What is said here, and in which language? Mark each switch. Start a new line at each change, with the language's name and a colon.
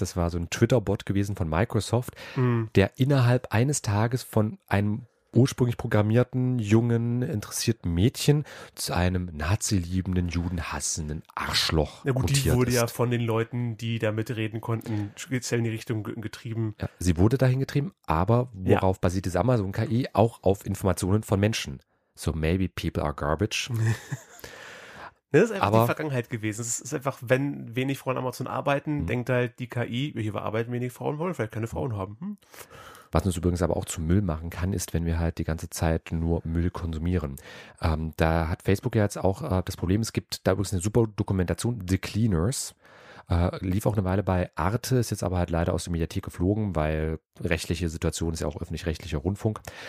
German: Das war so ein Twitter-Bot gewesen von Microsoft, der innerhalb eines Tages von einem ursprünglich programmierten, jungen, interessierten Mädchen zu einem Nazi-liebenden, Juden-hassenden Arschloch mutiert ist. Na gut, die wurde ja von den Leuten, die damit reden konnten, speziell in die Richtung getrieben. Ja, sie wurde dahin getrieben, aber worauf basiert diese Amazon-KI? Auch auf Informationen von Menschen.
English: So maybe people are garbage.
German: Das ist einfach aber die Vergangenheit gewesen. Es ist einfach, wenn wenig Frauen Amazon arbeiten, denkt halt die KI, hier bearbeiten wenig Frauen, wollen vielleicht keine Frauen haben. Was uns übrigens aber auch zu Müll machen kann, ist, wenn wir halt die ganze Zeit nur Müll konsumieren. Da hat Facebook ja jetzt auch das Problem, es gibt da übrigens eine super Dokumentation, The Cleaners, lief auch eine Weile bei Arte, ist jetzt aber halt leider aus der Mediathek geflogen, weil rechtliche Situation ist ja auch öffentlich-rechtlicher Rundfunk.